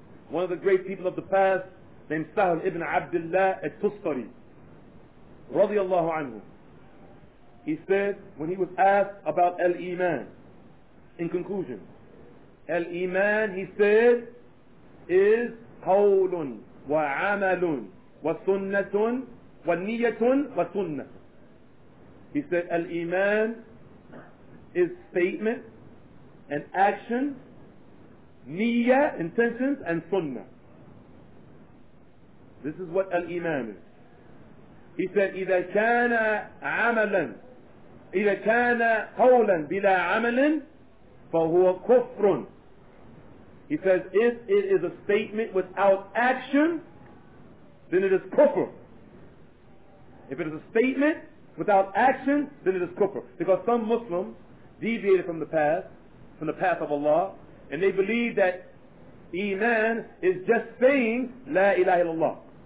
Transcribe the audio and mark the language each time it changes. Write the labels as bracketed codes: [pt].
[en] One of the great people of the past, named Sahl ibn Abdullah al-Tusqari radiallahu anhu, he said, when he was asked about al-Iman, in conclusion, al-Iman, he said, is [ar] qawlun wa amalun wa sunnatun wa niyatun wa sunnah. [en] He said al-Iman is statement and action, niyya, intentions, and sunnah. This is what al-Iman is. He said, [ar] إِذَا كَانَ عَمَلًا إِذَا كَانَ قَوْلًا بِلَا عَمَلٍ فَهُوَ كُفْرٌ. [en] He says, if it is a statement without action, then it is kufr. If it is a statement without action, then it is kufr. Because some Muslims deviated from the path of Allah, and they believe that Iman is just saying, La ilaha illallah.